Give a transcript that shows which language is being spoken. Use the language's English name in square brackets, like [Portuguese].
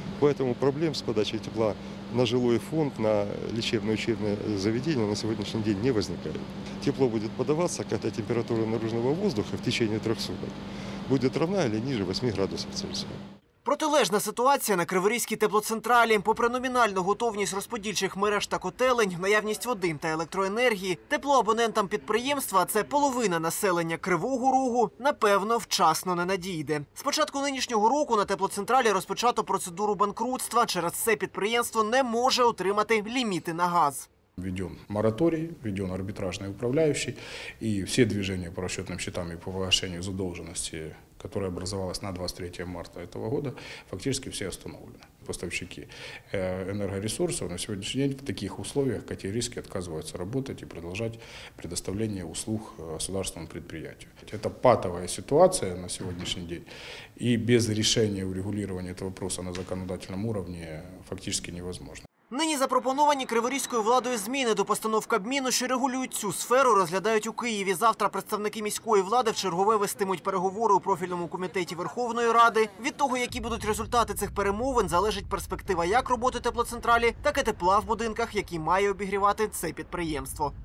[Russian] Поэтому проблем с подачей тепла на жилой фонд, на лечебно-учебное заведение на сегодняшний день не возникает. Тепло будет подаваться, когда температура наружного воздуха в течение 3 суток будет равна или ниже 8 градусов Цельсия. [Ukrainian] Протилежна ситуація на Криворізькій теплоцентралі. Попри номінальну готовність розподільчих мереж та котелень, наявність води та електроенергії, тепло абонентам підприємства – це половина населення Кривого Рогу – напевно, вчасно не надійде. З початку нинішнього року на теплоцентралі розпочато процедуру банкрутства. Через це підприємство не може отримати ліміти на газ. Введен мораторий, введен арбитражний управляючий, і всі движення по розрахованим счетам і по погашенню задовженості, [Russian] которая образовалась на 23 марта этого года, фактически все остановлены. Поставщики энергоресурсов на сегодняшний день в таких условиях категорически отказываются работать и продолжать предоставление услуг государственному предприятию. Это патовая ситуация на сегодняшний день, и без решения урегулирования этого вопроса на законодательном уровне фактически невозможно. [Ukrainian] Нині запропоновані криворізькою владою зміни до постанов Кабміну, що регулюють цю сферу, розглядають у Києві. Завтра представники міської влади вчергове вестимуть переговори у профільному комітеті Верховної Ради. Від того, які будуть результати цих перемовин, залежить перспектива як роботи теплоцентралі, так і тепла в будинках, які має обігрівати це підприємство.